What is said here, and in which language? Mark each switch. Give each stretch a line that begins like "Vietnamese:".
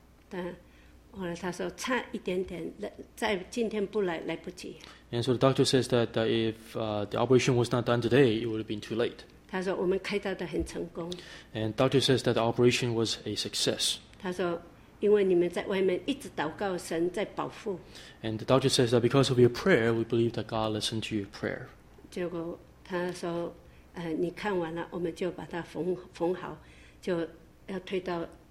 Chinese: 但后来他说差一点点，在今天不来来不及。
English: And so the doctor says that if the operation was not done today, it would have been too late.
Chinese: 他说我们开刀的很成功。
English: And doctor says that the operation was a success.
Chinese: 他说因为你们在外面一直祷告神在保护。
English: And the doctor says that because of your prayer, we believe that God listened to your prayer.
Chinese: 结果他说你看完了我们就把它缝好就要推到